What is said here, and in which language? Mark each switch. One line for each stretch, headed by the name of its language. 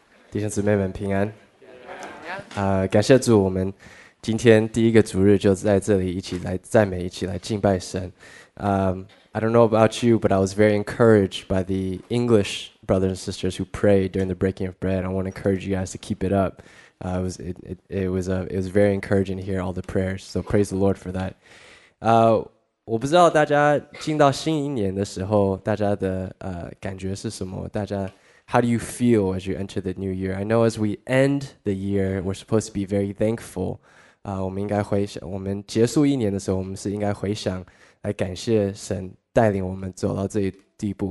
Chinese: 弟兄姊妹们平安。感谢主，我们今天第一个主日就在这里一起来赞美，一起来敬拜神。
English: I don't know about you, but I was very encouraged by the English brothers and sisters who prayed during the breaking of bread. I want to encourage you guys to keep it up. It was very encouraging to hear all the prayers, so praise the Lord for that.
Chinese: 我不知道大家进到新一年的时候，大家的感觉是什么？大家
English: how do you feel as you enter the new year? I know as we end the year, we're supposed to be very thankful.
Chinese: 我们应该回想，我们结束一年的时候，我们是应该回想来感谢神带领我们走到这一地步。